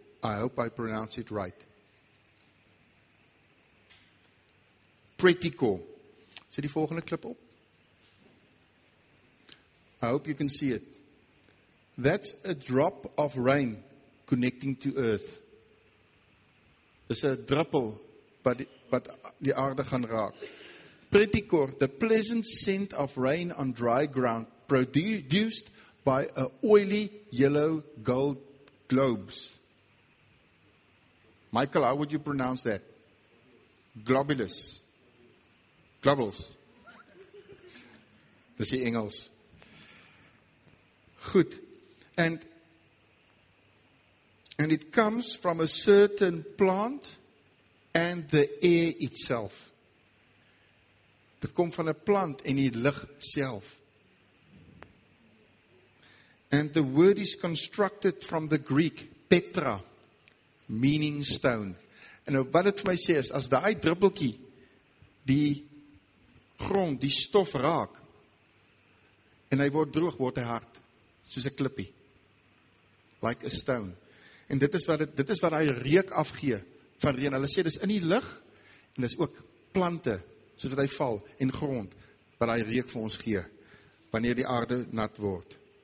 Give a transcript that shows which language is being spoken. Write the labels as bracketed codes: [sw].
[en] I hope I pronounce it right. [af] Pretikor. Sit die volgende klip op. [en] I hope you can see it. That's a drop of rain connecting to earth. [af] Dis 'n druppel wat die aarde gaan raak. [en] Pretikor, the pleasant scent of rain on dry ground produced by a oily yellow gold globes. Michael, how would you pronounce that? Globulus. Globules. [af] Dis die Engels. Goed. [en] And it comes from a certain plant and the air itself. [af] Dit kom van 'n plant en die lug self. [en] And the word is constructed from the Greek petra, meaning stone. [af] En nou wat dit vir my sê is, as daai druppeltjie die grond, die stof raak, en hy word droog, word hy hard, soos 'n klippie. [en] Like a stone. [af] En dit is wat hy reuk afgee van reën. Hulle sê dis in die lug en dis ook plante soos wat hy val en grond wat hy reuk vir ons gee wanneer die aarde nat word.